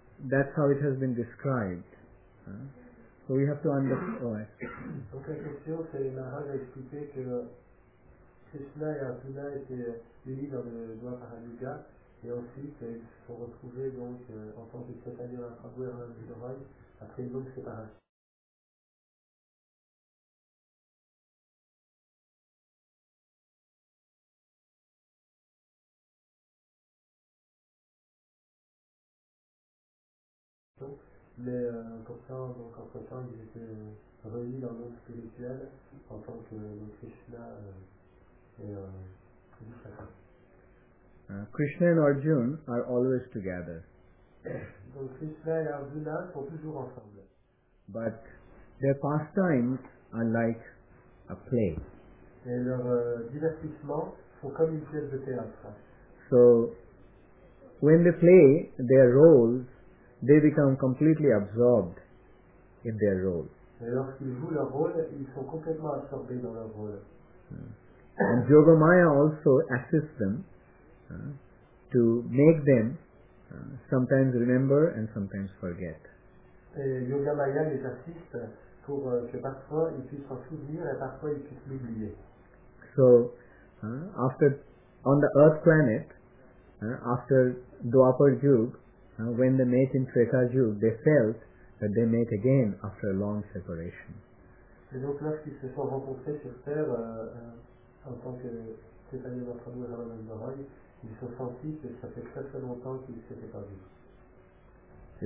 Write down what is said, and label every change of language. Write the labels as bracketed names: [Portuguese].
[English] That's how it has been described. So we have to understand. [French] Donc la question, c'est Maharaj a expliqué que Krishna et Arjuna étaient unis dans le doigt Paraduga, et ensuite ils se sont retrouvés donc en tant que Chaitanya Mahaprabhu et Ramananda Roy après une longue séparation. Mais donc entre temps ils étaient reliés dans le monde spirituel en tant que Krishna et Vishaka. [English] Krishna and Arjuna are always together. [French] Donc Krishna et Arjuna sont toujours ensemble. [English] But their pastimes are like a play. [French] Et leurs divertissements sont comme une pièce de théâtre. [English] So when they play their roles, they become completely absorbed in their role. [French] Et lorsqu'ils jouent leur rôle, ils sont complètement absorbés dans leur rôle. [English] And Yogamaya also assists them to make them sometimes remember and sometimes forget. [French] Et Yogamaya les assiste pour que parfois ils puissent s'en souvenir et parfois ils puissent l'oublier. [English] So, on the Earth planet, after Dwapar Yuga, when they met in Treta Yuga, they felt that they met again after a long separation. [French] Et donc lorsqu'ils se sont rencontrés sur Terre, en tant que Chaitanya Mahaprabhu et Ramananda Roy, ils se sont sentis que ça fait très très longtemps qu'ils ne s'étaient pas vus.